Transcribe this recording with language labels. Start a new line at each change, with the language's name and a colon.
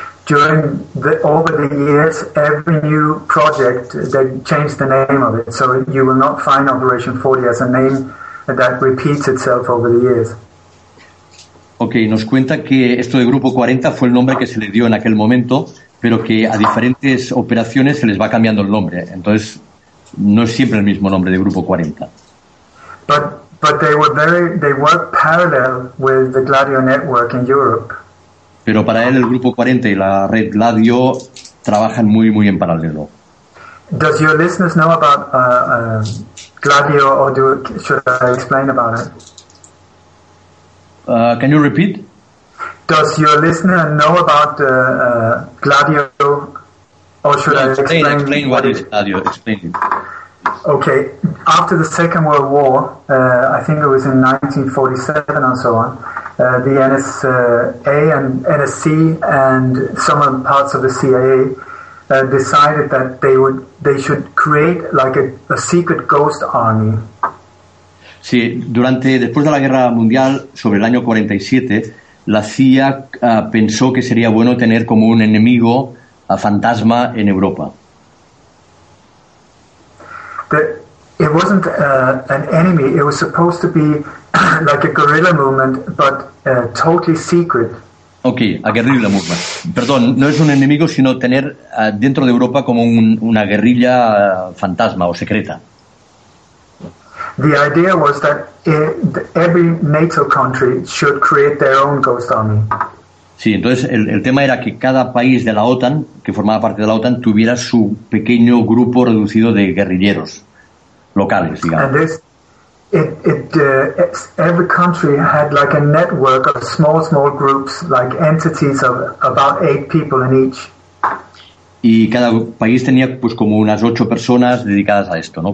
English: Over the years, every new project, they changed the name of it, so you will not find Operation 40 as a name that repeats itself over the years.
Spanish: Ok, nos cuenta que esto de Grupo 40 fue el nombre que se le dio en aquel momento, pero que a diferentes operaciones se les va cambiando el nombre. Entonces, no es siempre el mismo nombre de Grupo 40. Pero para él el Grupo 40 y la red Gladio trabajan muy, muy en paralelo.
English: Does your listeners know about Gladio, or do, should I explain about it? Can you repeat? Does your listener know about Gladio, or should explain what is Gladio? Explain it. Okay, after the Second World War, I think it was in 1947 and so on, the NSA and NSC and some of the parts of the CIA decided that they should create like a secret ghost army.
Spanish: Sí, después de la Guerra Mundial, sobre el año 47, la CIA pensó que sería bueno tener como un enemigo a fantasma en Europa.
English: It wasn't an enemy, it was supposed to be like a guerrilla movement, but totally secret. Ok, a guerrilla movement.
Spanish: Perdón, no es un enemigo, sino tener dentro de Europa como una guerrilla fantasma o secreta.
English: The idea was that every NATO country should create their own ghost army.
Spanish: Sí, entonces el tema era que cada país de la OTAN, que formaba parte de la OTAN, tuviera su pequeño grupo reducido de guerrilleros locales, digamos.
English: And this, every country had like a network of small groups, like entities of about 8 people in each.
Spanish: Y cada país tenía pues como unas 8 personas dedicadas a esto, ¿no?